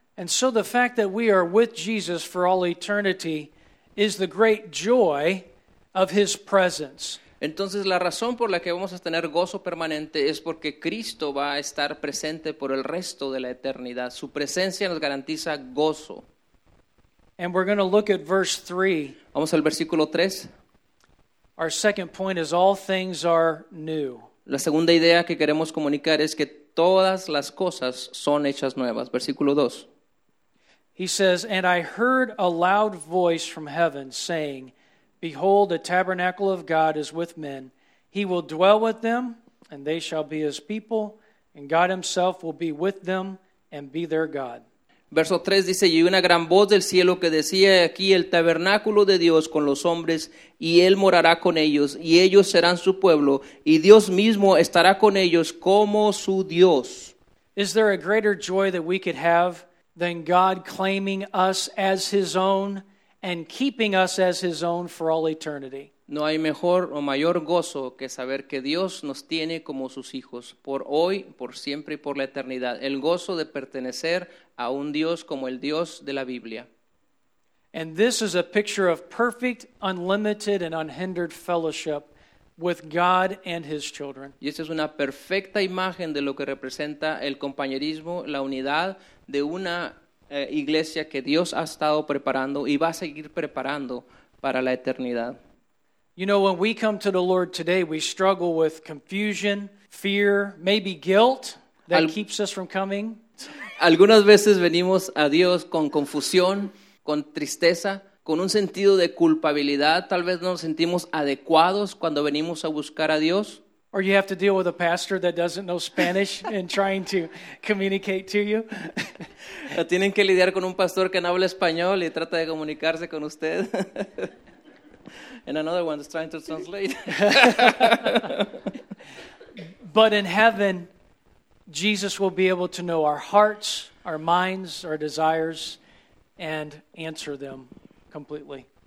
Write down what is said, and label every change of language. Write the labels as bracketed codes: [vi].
[en] And so the fact that we are with Jesus for all eternity is the great joy of His presence. [es] Entonces la razón por la que vamos a tener gozo permanente es porque Cristo va a estar presente por el resto de la eternidad. Su presencia nos garantiza gozo. [en] And we're going to look at verse 3. [es] Vamos al versículo 3. [en] Our second point is all things are new. [es] La segunda idea que queremos comunicar es que todas las cosas son hechas nuevas. Versículo 2. [en] He says, and I heard a loud voice from heaven saying, behold, the tabernacle of God is with men. He will dwell with them, and they shall be His people, and God Himself will be with them and be their God. [es] Verso 3 dice, y una gran voz del cielo que decía, aquí el tabernáculo de Dios con los hombres, y Él morará con ellos, y ellos serán su pueblo, y Dios mismo estará con ellos como su Dios. [en] Is there a greater joy that we could have than God claiming us as His own and keeping us as His own for all eternity? [es] No hay mejor o mayor gozo que saber que Dios nos tiene como sus hijos por hoy, por siempre y por la eternidad. El gozo de pertenecer a un Dios como el Dios de la Biblia. [en] And this is a picture of perfect, unlimited, and unhindered fellowship with God and His children. [es] Y esta es una perfecta imagen de lo que representa el compañerismo, la unidad de una iglesia que Dios ha estado preparando y va a seguir preparando para la eternidad. [en] You know, when we come to the Lord today, we struggle with confusion, fear, maybe guilt that keeps us from coming. [es] Algunas veces venimos a Dios con confusión, con tristeza, con un sentido de culpabilidad. Tal vez no nos sentimos adecuados cuando venimos a buscar a Dios. [en] Or you have to deal with a pastor that doesn't know Spanish and trying to communicate to you. [es] Tienen que lidiar con un pastor que no habla español y trata de comunicarse con usted. [en] And another one is trying to translate. But in heaven, Jesus will be able to know our hearts, our minds, our desires, and answer them completely.